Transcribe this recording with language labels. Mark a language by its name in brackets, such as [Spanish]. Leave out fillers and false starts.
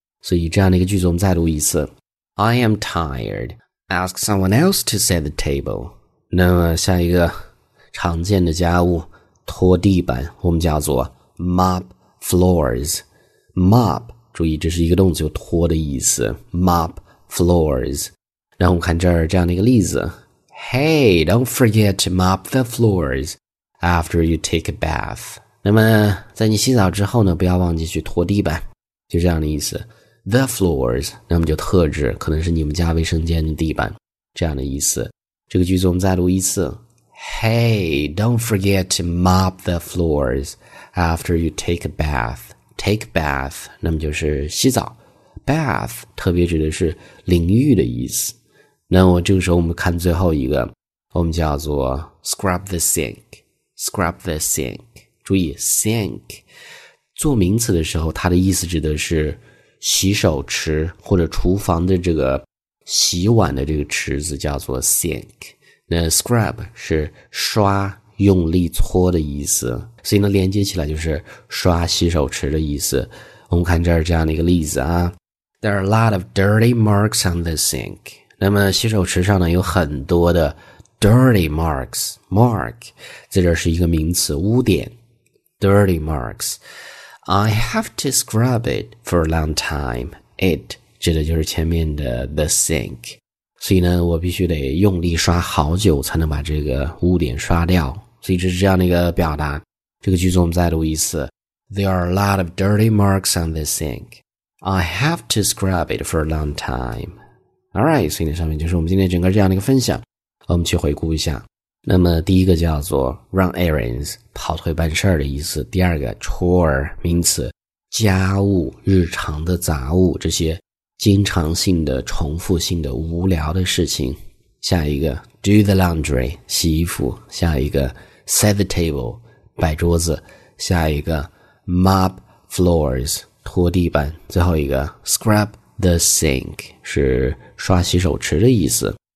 [Chinese] 所以这样的一个句子我们再读一次， [English] I am tired, ask someone else to set the table。 [Chinese] 那么下一个常见的家务，拖地板，我们叫做 [English] mop floors, [Chinese] mop, 注意这是一个动词，就拖的意思， mop floors。 [English] 然后我们看这儿这样的一个例子， Hey, don't forget to mop the floors after you take a bath. [Chinese] 那么在你洗澡之后呢，不要忘记去拖地板，就这样的意思， [English] the floors, [Chinese] 那么就特指可能是你们家卫生间的地板，这样的意思。这个句子我们再读一次， [English] Hey, don't forget to mop the floors after you take a bath. Take bath, [Chinese] 那么就是洗澡。Bath, 特别指的是淋浴的意思。那么这个时候我们看最后一个，我们叫做 [English] scrub the sink, [Chinese] scrub the sink. 注意 sink, 做名词的时候它的意思指的是洗手池或者厨房的这个洗碗的这个池子，叫做 sink。那 scrub 是刷，用力搓的意思，所以呢连接起来就是刷洗手池的意思。我们看这儿这样的一个例子啊， [English] There are a lot of dirty marks on the sink. [Chinese] 那么洗手池上呢有很多的 [English] Dirty marks, [Chinese] mark, 在这是一个名词，污点。 [English] Dirty marks, I have to scrub it for a long time. [Chinese] It, 指的就是前面的 [English] the sink. [Chinese] 所以呢，我必须得用力刷好久才能把这个污点刷掉。所以这是这样的一个表达。这个句子我们再读一次。 [English] There are a lot of dirty marks on the sink. I have to scrub it for a long time. [Chinese] Alright, 所以呢，上面就是我们今天整个这样的一个分享。我们去回顾一下，那么第一个叫做 [English] run errands [Chinese] 跑腿办事儿的意思，第二个 chore 名词家务日常的杂物，这些经常性的重复性的无聊的事情，下一个 [English] do the laundry [Chinese] 洗衣服，下一个 [English] set the table [Chinese] 摆桌子，下一个 [English] mop floors [Chinese] 拖地板，最后一个 [English] scrub the sink [Chinese] 是刷洗手池的意思。